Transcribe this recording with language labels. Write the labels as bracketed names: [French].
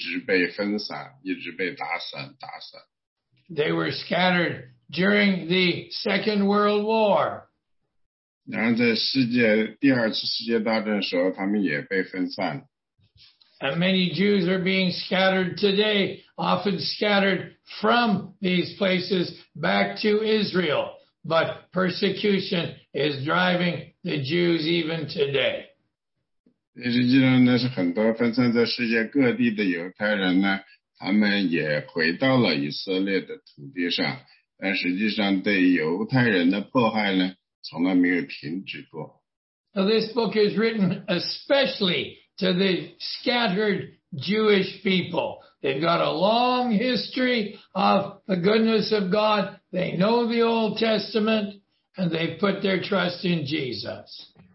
[Chinese] 所以呢,在那个犹太人的历史上呢,他们是一直被分散,一直被打散,打散。 [English] They were scattered during the Second World War. [Chinese] 然后在第二次世界大战的时候,他们也被分散了。 [English] And many Jews are being scattered today, often scattered from these places back to Israel. But persecution is driving the Jews even today. [Chinese] 实际上呢,是很多分散在世界各地的犹太人呢,他们也回到了以色列的土地上,但实际上对犹太人的迫害呢,从来没有停止过。 [English] So this book is written especially to the scattered Jewish people. They've got a long history of the goodness of God. They know the Old Testament, and they put their trust in Jesus.